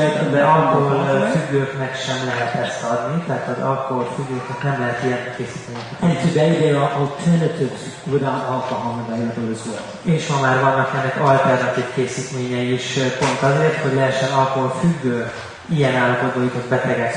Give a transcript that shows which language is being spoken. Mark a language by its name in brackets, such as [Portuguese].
[Hungarian] De alkohol függőknek sem lehet ezt adni, tehát az alkohol függőknek nem lehet ilyen készíteni. [English] And today there are alternatives without alcohol available as well. [Hungarian] És ma már vannak ennek alternatív készítményei is, pont azért, hogy lehessen alkohol függő ilyen állapotban jutott betegek.